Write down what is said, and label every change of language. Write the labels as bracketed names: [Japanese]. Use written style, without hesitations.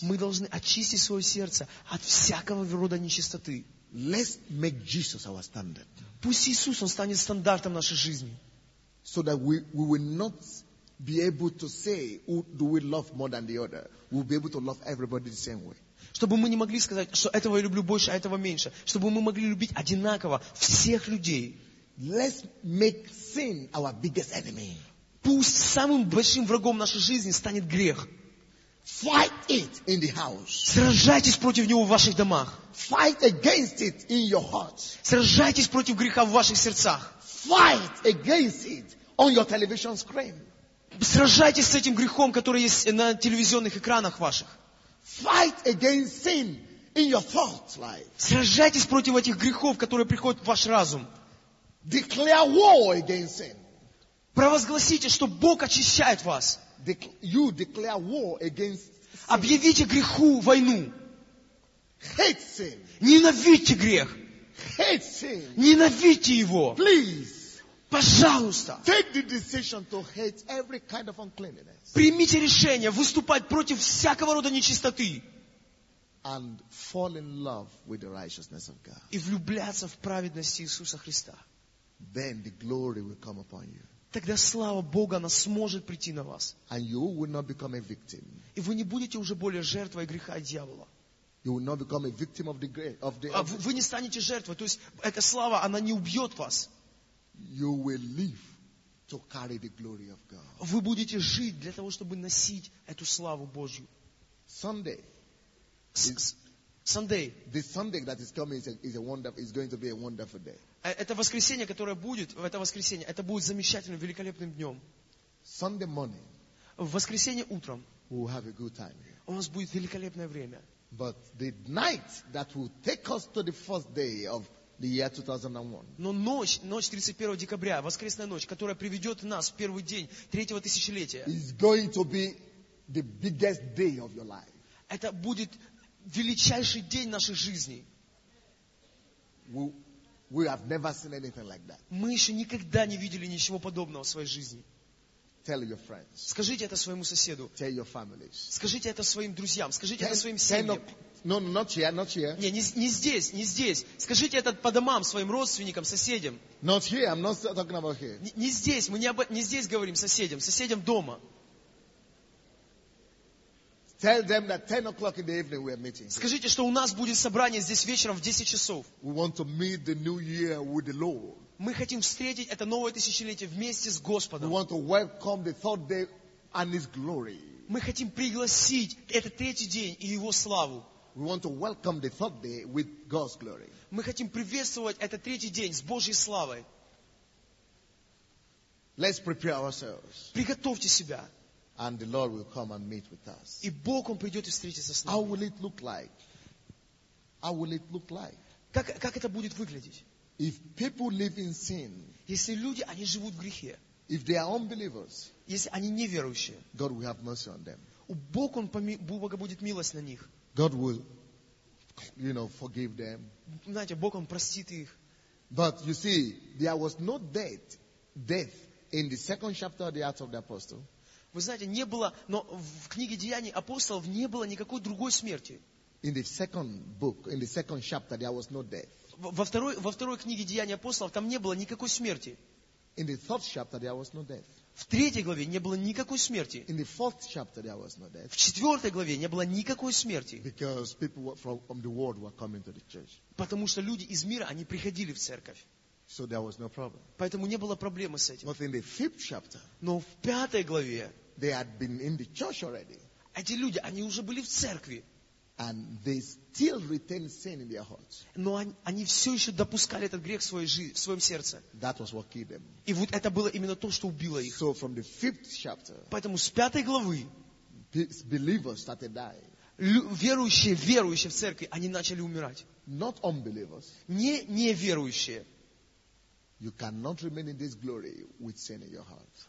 [Russian] Мы должны очистить свое сердце от всякого рода нечистоты. [English] Let's make Jesus our standard. [Russian] Пусть Иисус, Он станет стандартом нашей жизни. [English] So that we will not be able to say who do we love more than the other. We'll be able to love everybody the same way. [Russian] Чтобы мы не могли сказать, что этого я люблю больше, а этого меньше. Чтобы мы могли любить одинаково всех людей. [English] Let's make sin our biggest enemy. [Russian] Пусть самым большим врагом нашей жизни станет грех. [English] Fight it in the house. [Russian] Сражайтесь против него в ваших домах. [English] Fight against it in your heart. [Russian] Сражайтесь против греха в ваших сердцах. [English] Fight against it on your television screen. [Russian] Сражайтесь с этим грехом, который есть на телевизионных экранах ваших. [English] Fight against sin in your thought life. [Russian] Сражайтесь против этих грехов, которые приходят в ваш разум. [English] Declare war against sin. [Russian] Провозгласите, что Бог очищает вас. [English] You declare war against sin. [Russian] Объявите греху войну. [English] Hate sin. [Russian] Ненавидьте грех. [English] Hate sin. [Russian] Ненавидьте его. [English] Please. [Russian] Пожалуйста. [English] Take the decision to hate every kind of uncleanness. [Russian] Примите решение выступать против всякого рода нечистоты. [English] And fall in love with the righteousness of God. [Russian] И влюбляться в праведность Иисуса Христа. [English] Then the glory will come upon you. [Russian] Тогда слава Бога, она сможет прийти на вас. [English] And you will not become a victim. [Russian] И вы не будете уже более жертвой греха дьявола. [English] You will not become a victim of the grave. [Russian] Вы не станете жертвой. То есть эта слава, она не убьет вас. [English] You will live to carry the glory of God. [Russian] Вы будете жить для того, чтобы носить эту славу Божью. [English] Sunday. Sunday. The Sunday that is coming is going to be a wonderful day. [Russian] Это воскресенье, которое будет, это воскресенье, это будет замечательным, великолепным днем. [English] Sunday morning. [Russian] В воскресенье утром. [English] We'll have a good time here. [Russian] У нас будет великолепное время. [English] But the night that will take us to the first day of the year 2001. [Russian] Но ночь 31 декабря, воскресная ночь, которая приведет нас в первый день третьего тысячелетия. [English] Is going to be the biggest day of your life. [Russian] Это будет величайший день нашей жизни. [English] We have never seen anything like that. [Russian] Мы еще никогда не видели ничего подобного в своей жизни. [English] Tell your friends. [Russian] Скажите это своему соседу. [English] Tell your families. [Russian] Скажите это своим друзьям. Скажите это своим семьям. [English] Not here. [Russian] Не здесь. Скажите это по домам, своим родственникам, соседям. [English] Not here. I'm not talking about here. [Russian] Не здесь. Мы не здесь говорим соседям дома. [English] Tell them that 10 o'clock in the evening we are meeting. [Russian] Скажите, что у нас будет собрание здесь вечером в 10 часов. [English] We want to meet the new year with the Lord. [Russian] Мы хотим встретить это новое тысячелетие вместе с Господом. [English] We want to welcome the third day and His glory. [Russian] Мы хотим пригласить этот третий день и Его славу. [English] We want to welcome the third day with God's glory. [Russian] Мы хотим приветствовать этот третий день с Божьей славой. [English] Let's prepare ourselves. [Russian] Приготовьте себя. [English] And the Lord will come and meet with us. [Russian] И Бог, Он придет и встретится с нами. [English] How will it look like? How will it look like? [Russian] Как это будет выглядеть? [English] If people live in sin, [Russian] если люди, они живут в грехе, [English] if they are unbelievers, [Russian] если они неверующие, [English] God will have mercy on them. [Russian] У Бога, будет милость на них. [English] God will, you know, forgive them. [Russian] Знаете, Бог, Он простит их. [English] But you see, there was no death in the second chapter of the Acts of the Apostles. [Russian] Вы знаете, не было, но в книге Деяний апостолов не было никакой другой смерти. [English] In the second book, in the second chapter, there was no death. [Russian] Во второй книге Деяний апостолов там не было никакой смерти. [English] In the third chapter, there was no death. [Russian] В третьей главе не было никакой смерти. [English] In the fourth chapter, there was no death. [Russian] В четвертой главе не было никакой смерти. [English] Because people from the world were coming to the church. [Russian] Потому что люди из мира, они приходили в церковь. [English] So there was no problem. [Russian] Поэтому не было проблемы с этим. [English] But in the fifth chapter, [Russian] но в пятой главе, [English] they had been in the church already. [Russian] Эти люди, они уже были в церкви. [English] And they still retain sin in their hearts. [Russian] Но они все еще допускали этот грех в своем сердце. [English] That was what killed them. [Russian] И вот это было именно то, что убило их. [English] So from the fifth chapter, [Russian] поэтому с пятой главы, [English] believers started dying. [Russian] Верующие в церкви, они начали умирать. [English] Not unbelievers. [Russian] Не неверующие. [English] You cannot remain in this glory with sin in your heart.